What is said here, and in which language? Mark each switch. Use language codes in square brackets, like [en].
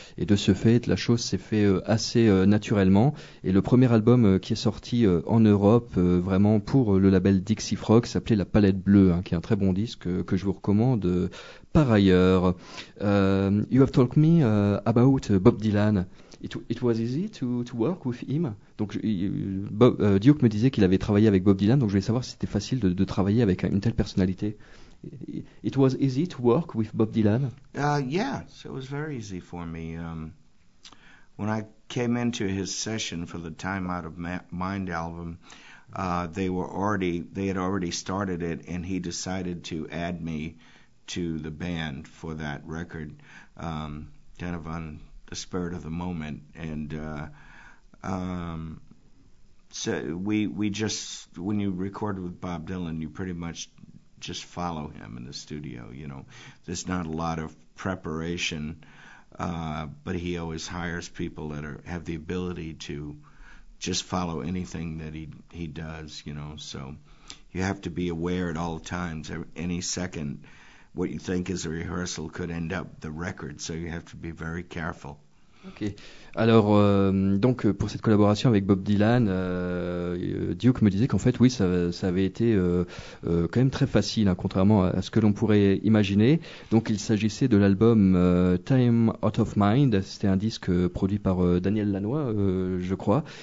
[fr] Et de ce fait, la chose s'est fait assez naturellement. Et le premier album qui est sorti en Europe, vraiment pour le label Dixie Frog, s'appelait La Palette Bleue, hein, qui est un très bon disque que je vous recommande par ailleurs. [en] You have talked me about Bob Dylan. It was easy to work with him. [fr] Donc, Duke me disait qu'il avait travaillé avec Bob Dylan, donc je voulais savoir si c'était facile de travailler avec une telle personnalité. [en] It was easy to work with Bob Dylan? Yes, it was very easy for me. When I came into his session for the Time Out of Mind album, they had already started it, and he decided to add me to the band for that record, kind of on the spirit of the moment. And so we just, when you record with Bob Dylan, you pretty much just follow him in the studio. You know, there's not a lot of preparation, but he always hires people that have the ability to just follow anything that he does, you know. So you have to be aware at all times, any second, what you think is a rehearsal could end up the record, so you have to be very careful. Ok. [fr] Alors, donc, pour cette collaboration avec Bob Dylan, Duke me disait qu'en fait, oui, ça avait été quand même très facile, hein, contrairement à ce que l'on pourrait imaginer. Donc, il s'agissait de l'album Time Out of Mind. C'était un disque produit par Daniel Lanois, je crois.